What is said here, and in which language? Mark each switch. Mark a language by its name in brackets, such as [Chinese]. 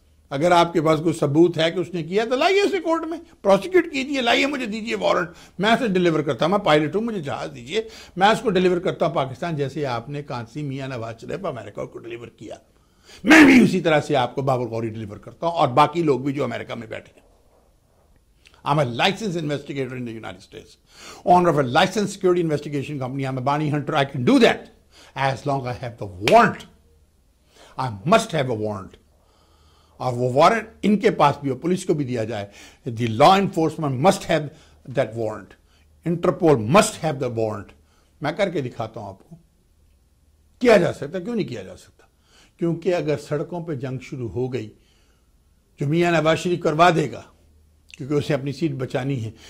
[Urdu] اگر آپ کے پاس کوئی ثبوت ہے کہ اس نے کیا تو لائیے اسے کورٹ میں، پروسیکیوٹ کیجیے، لائیے مجھے، دیجیے وارنٹ، میں اسے ڈلیور کرتا ہوں، میں پائلٹ ہوں، مجھے جہاز دیجیے، میں اس کو ڈلیور کرتا ہوں پاکستان، جیسے آپ نے قاسم میاں نواز شریف امریکہ کو ڈلیور کیا، میں بھی اسی طرح سے آپ کو بابر غوری ڈلیور کرتا ہوں اور باقی لوگ بھی جو امریکہ میں بیٹھے ہیں. [English] I'm a licensed investigator in the United States. Owner of a licensed security investigation company. I'm a bounty hunter. I can do that as long as I have the warrant. I must have a warrant. [Urdu] اور وہ warrant ان کے پاس بھی ہو، police کو بھی دیا جائے. [English] The law enforcement must have that warrant, Interpol must have the warrant. [Urdu] میں کر کے دکھاتا ہوں آپ کو کیا جا سکتا ہے، کیوں نہیں کیا جا سکتا. کیونکہ اگر سڑکوں پہ جنگ شروع ہو گئی جو میاں نواز شریف کروا دے گا، کیونکہ اسے اپنی سیٹ بچانی ہے.